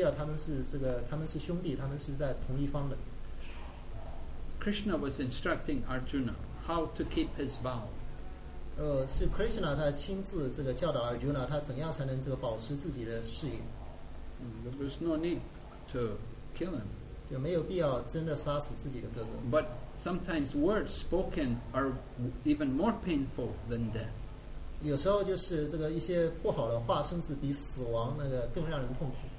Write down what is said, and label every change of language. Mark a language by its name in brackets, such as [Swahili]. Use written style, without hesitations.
[Chinese] 因为那个阿尔约纳跟尤迪斯蒂尔他们是兄弟，他们是在同一方的。 [English] Krishna was instructing Arjuna how to keep his vow. [Chinese] 是 Krishna 他亲自教导 Arjuna 他怎样才能保持自己的誓言。 [English] There was no need to kill him. [Chinese] 就没有必要真的杀死自己的哥哥。 [English] But sometimes words spoken are even more painful than death. [Chinese] 有时候就是一些不好的话，甚至比死亡更让人痛苦。